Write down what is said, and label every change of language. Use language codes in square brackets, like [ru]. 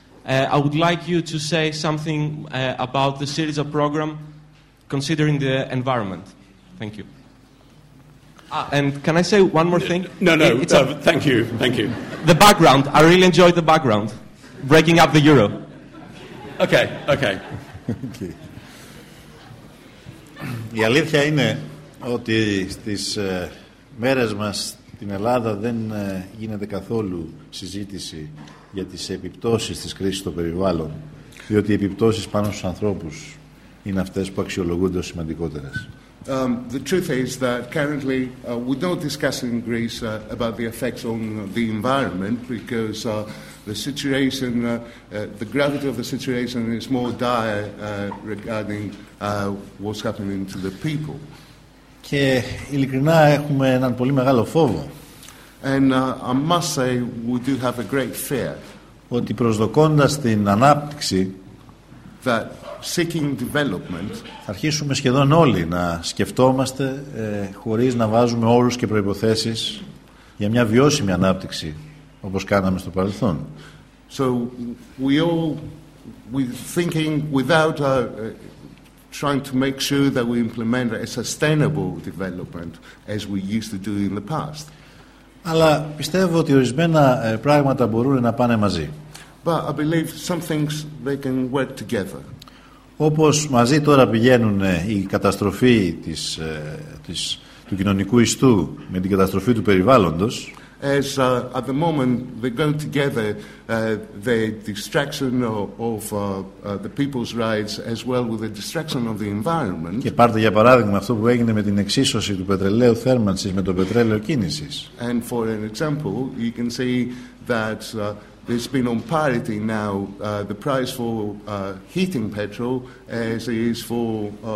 [en] I would like you to say something about the Syriza program, considering the environment. Thank you. And can I say one more thing? Thank you. Thank you. The background. I really enjoyed the background, breaking up the euro. Okay. Okay. [el] Η αλήθεια είναι ότι στις μέρες μας στην Ελλάδα δεν γίνεται καθόλου συζήτηση για τις επιπτώσεις της κρίσης στο περιβάλλον, διότι οι επιπτώσεις πάνω στους ανθρώπους είναι αυτές που αξιολογούνται ως σημαντικότερες. [en] The truth is that currently we're not discussing Greece about the effects on the environment because the situation, the gravity of the situation is more dire regarding what's happening to the people. [el] Και ειλικρινά έχουμε έναν πολύ μεγάλο φόβο. [en] And I must say we do have a great fear. [el] Ότι προσδοκώντας την ανάπτυξη, [en] that seeking development, [el] θα αρχίσουμε σχεδόν όλοι να σκεφτόμαστε χωρίς να βάζουμε όρους και προϋποθέσεις για μια βιώσιμη ανάπτυξη όπως κάναμε στο παρελθόν. [en] So we all we're thinking without trying to make sure that we implement a sustainable development as we used to do in the past. [el] Αλλά πιστεύω ότι ορισμένα πράγματα μπορούν να πάνε μαζί. [en] But I believe some things they can work together. [el] Όπως μαζί τώρα πηγαίνουν η καταστροφή της, του κοινωνικού ιστού με την καταστροφή του περιβάλλοντος. [en] As at the moment they go together, the destruction of the people's rights as well with the destruction of the environment. [el] Και πάρτε για παράδειγμα αυτό που έγινε με την εξίσωση του πετρελαίου θέρμανσης με το πετρέλαιο κίνησης. [en] And for an example, you can see that there's been on parity now the price for heating petrol as it is for